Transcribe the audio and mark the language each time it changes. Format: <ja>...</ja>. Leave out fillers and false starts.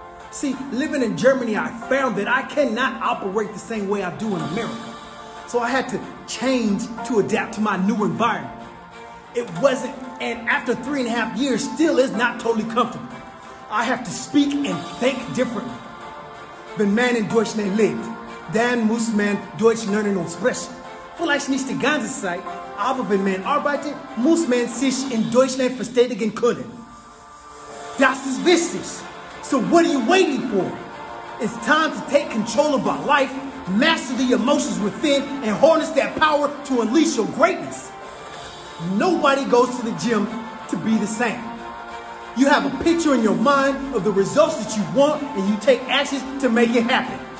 <en>See, living in Germany, I found that I cannot operate the same way I do in America. So I had to change to adapt to my new environment. It wasn't, and after 3.5 years, still is not totally comfortable. I have to speak and think differently.</en> <de>Wenn man in Deutschland lebt, dann muss man Deutsch lernen und sprechen. Vielleicht nicht die ganze Zeit, aber wenn man arbeitet, muss man sich in Deutschland verständigen können. Das ist wichtig.</de> <en>So what are you waiting for? It's time to take control of our life, master the emotions within, and harness that power to unleash your greatness. Nobody goes to the gym to be the same. You have a picture in your mind of the results that you want, and you take actions to make it happen.</en>